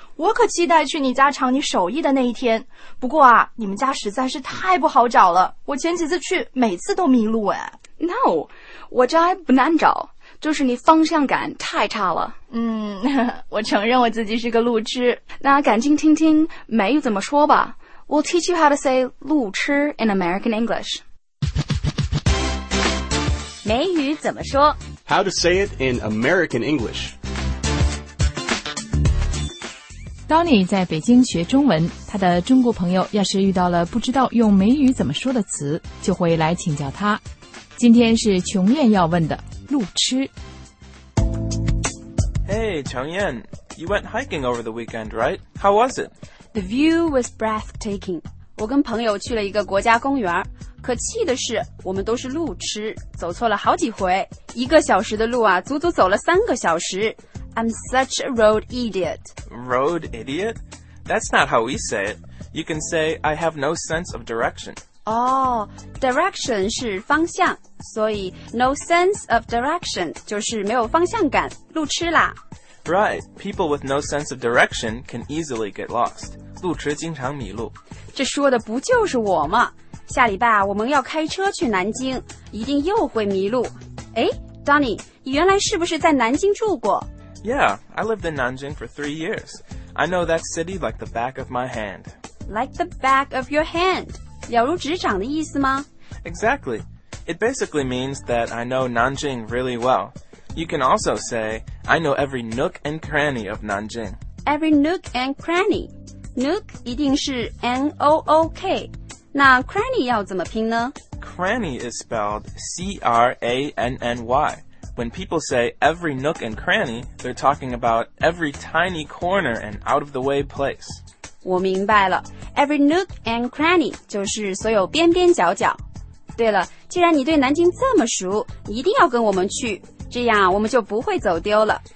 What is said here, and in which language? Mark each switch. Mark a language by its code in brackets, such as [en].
[zh] 我可期待去你家尝你手艺的那一天。不过啊，你们家实在是太不好找了。我前几次去，每次都迷路哎。 No, 我家还不难找，就是你方向感太差了。我承认我自己是个路痴。那赶紧听听梅雨怎么说吧。 [en] We'll teach you how to say 路痴 in American English. [zh] 美语怎么说? [en] How to say it in American English. [zh] Donny 在北京学中文，他的中国朋友要是遇到了不知道用美语怎么说的词，就会来请教他。今天是琼艳要问的路痴。 [en] Hey, 琼艳, you went hiking over the weekend, right? How was it? The view was breathtaking. [zh] 我跟朋友去了一个国家公园，可气的是我们都是路痴，走错了好几回。一个小时的路啊，足足走了三个小时。 [en] I'm such a road idiot. Road idiot? That's not how we say it. You can say, I have no sense of direction. [zh] Oh, direction 是方向，所以 [en] no sense of direction [zh] 就是没有方向感，路痴啦。 [en] Right, people with no sense of direction can easily get lost. [zh] 路痴经常迷路。这说的不就是我吗？下礼拜我们要开车去南京，一定又会迷路。哎 ，Donny， 你原来是不是在南京住过 [en] ？Yeah, I lived in Nanjing for 3 years. I know that city like the back of my hand. Like the back of your hand， [zh] 了如指掌的意思吗 [en] ？Exactly. It basically means that I know Nanjing really well. You can also say, I know every nook and cranny of Nanjing. Every nook and cranny. Nook [zh] 一定是 [en] N-O-O-K. [zh] 那 cranny 要怎么拼呢? [en] Cranny is spelled C-R-A-N-N-Y. When people say every nook and cranny, they're talking about every tiny corner and out-of-the-way place. [zh] 我明白了。 [en] Every nook and cranny [zh] 就是所有边边角角。对了，既然你对南京这么熟，一定要跟我们去。这样我们就不会走丢了。